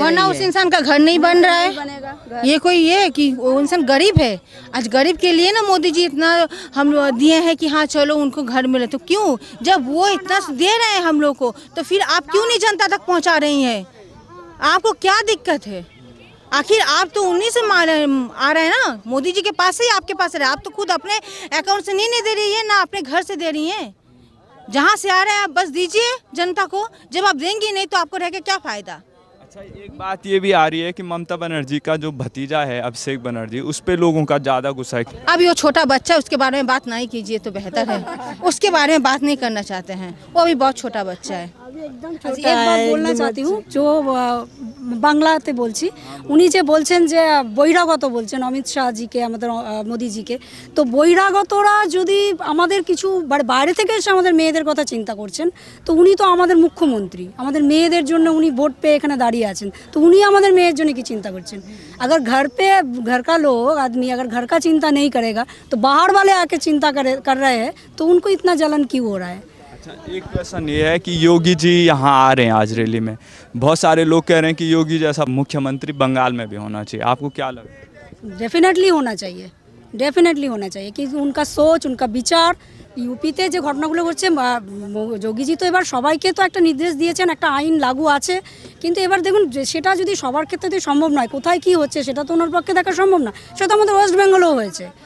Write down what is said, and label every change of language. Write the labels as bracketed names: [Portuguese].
[Hindi] वरना उस इंसान का घर नहीं बन रहा है ये कोई ये कि वो इंसान गरीब है आज गरीब के लिए ना मोदी जी इतना हम दिए हैं कि हाँ चलो उनको घर मिले तो क्यों जब वो इतना दे रहे हैं हम लोग को तो फिर आप क्यों नहीं जनता तक पहुँचा रही है आपको क्या दिक्कत है आखिर आप तो उन्हीं से आ रहे हैं ना मोदी जी के पास ही आपके पास रहे आप तो खुद अपने अकाउंट से नहीं दे रही है ना अपने घर से दे रही हैं जहां से आ रहे हैं आप बस दीजिए जनता को जब आप देंगी नहीं तो आपको रह के क्या फायदा अच्छा एक बात ये भी आ रही है कि ममता बनर्जी का जो भतीजा है अभिषेक बनर्जी उस पर लोगों का ज्यादा गुस्सा है अब ये छोटा बच्चा उसके बारे में बात नहीं कीजिए तो बेहतर है उसके बारे में बात नहीं करना चाहते हैं वो अभी बहुत छोटा बच्चा है एक बात बोलना चाहती हूँ जो [Bangla] বাংলাতে বলছি উনি যে বলছেন যে বহিরাগত বলছেন অমিত শাহজিকে আমাদের মোদিজিকে তো বহিরাগতরা যদি আমাদের কিছু বাইরে থেকে এসে আমাদের মেয়েদের কথা চিন্তা করছেন তো উনি তো আমাদের মুখ্যমন্ত্রী আমাদের মেয়েদের জন্য উনি ভোট পেয়ে এখানে দাঁড়িয়ে আছেন তো উনি আমাদের মেয়ের জন্য কি চিন্তা করছেন [Hindi] আগর ঘর পে ঘর কা লোক আদমি আগর ঘর কা চিন্তা নেই করেগা তো বাহার বালে আকে চিন্তা কর রহে হ্যায় তো উনকো ইতনা জলন কিউ হো রহা হ্যায় एक क्वेश्चन ये है कि योगी जी यहाँ आ रहे हैं आज रैली में बहुत सारे लोग कह रहे हैं कि योगी जैसा मुख्यमंत्री बंगाल में भी होना चाहिए आपको क्या लगता है डेफिनेटली होना चाहिए कि उनका सोच उनका विचार [Bangla] ইউপিতে যে ঘটনাগুলো ঘটছে যোগীজি তো এবার সবাইকে তো একটা নির্দেশ দিয়েছেন একটা আইন লাগু আছে কিন্তু এবার দেখুন সেটা যদি সবার ক্ষেত্রে সম্ভব নয় কোথায় কি হচ্ছে সেটা তো ওনার পক্ষে দেখা সম্ভব না সেটা আমাদের ওয়েস্ট বেঙ্গলও হয়েছে